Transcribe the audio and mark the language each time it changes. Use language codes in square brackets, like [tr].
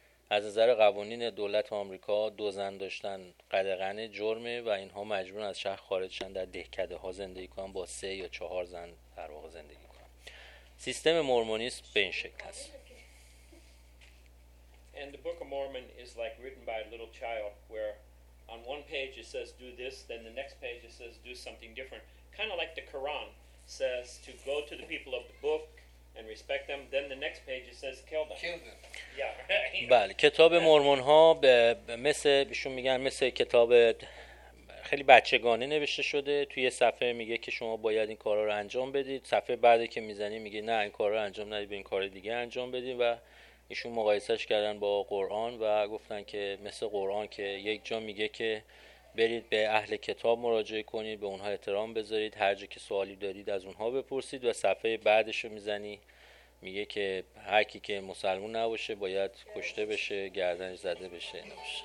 [fa] از نظر قوانین دولت آمریکا دو زن داشتن قدغن جرمه و اینها مجبورن از شهر خارج شن در دهکده ها زندگی کنن با 3 یا 4 زن در واقع زندگی کنن. سیستم مورمونیسم به این شکل هست. [en] And the Book of Mormon is like written by a little child where on one page it says do this, then the next page it says do something different. Kind of like the Quran says to go to the people of the book and respect them. Then the next page it says kill them. Kill them. Yeah. [fa] بله، کتاب مورمون ها به مثل ایشون میگن مثل کتاب خیلی بچگانه نوشته شده. توی یه صفحه میگه که شما باید این کارا رو انجام بدید، صفحه بعدی که میزنی میگه نه این کارا رو انجام ندید، این کار دیگه انجام بدید. و ایشون مقایسهش کردن با قرآن و گفتن که مثل قرآن که یک جا میگه که برید به اهل کتاب مراجعه کنید، به اونها احترام بذارید، هر جا که سوالی دارید از اونها بپرسید، و صفحه بعدش رو میزنی میگه که هر کی که مسلمان نباشه باید کشته بشه، گردنش زده بشه، نباشه.